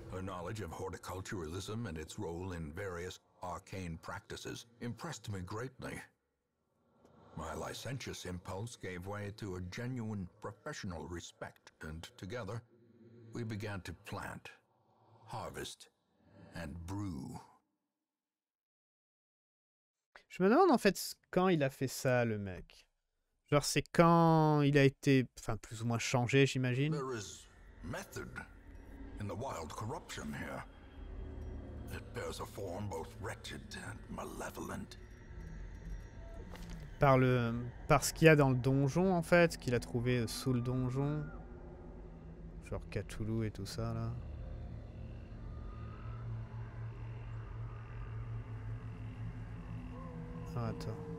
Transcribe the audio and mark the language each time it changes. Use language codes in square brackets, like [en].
[en] A knowledge of horticulturalism and its role in various arcane practices impressed me greatly. My licentious impulse gave way to a genuine professional respect, and together we began to plant, harvest, and brew. [fr] Je me demande en fait quand il a fait ça, le mec. Genre, c'est quand il a été, enfin, plus ou moins changé, j'imagine. [en] There is method in the wild corruption here. It bears a form both wretched and malevolent. [fr] Par ce qu'il y a dans le donjon, en fait, qu'il a trouvé sous le donjon. Genre Cthulhu et tout ça, là. Ah, attends.